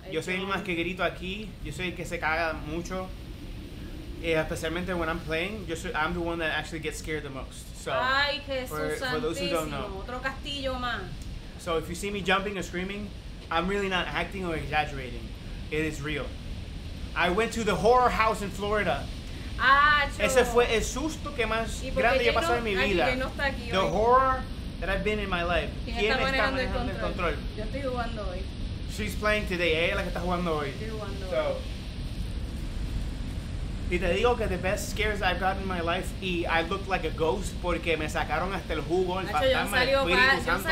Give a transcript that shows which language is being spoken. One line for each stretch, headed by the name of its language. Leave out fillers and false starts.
Spanish: Yo soy el más que grito aquí. Yo soy el que se caga mucho. Especialmente
English: when I'm playing. I'm the one that actually gets scared the most. So,
Spanish: ay, Jesús santísimo.
English: For those who don't know.
Spanish: Otro castillo más.
English: So if you see me jumping or screaming, I'm really not acting or exaggerating. It is real. I went to the horror house in Florida.
Spanish: Ah, chulo. Ese fue el susto que más grande he pasado en mi vida.
English: The horror that I've been in my life.
Spanish: ¿Quién está manejando el control? Yo estoy jugando hoy.
English: She's playing today.
Spanish: Ella es la que está jugando hoy. Estoy jugando hoy. Y te digo que
English: the best scares I've gotten in my life,
Spanish: y
English: I looked like a ghost
Spanish: porque me sacaron hasta el jugo, el fantasma, el Espíritu Santo.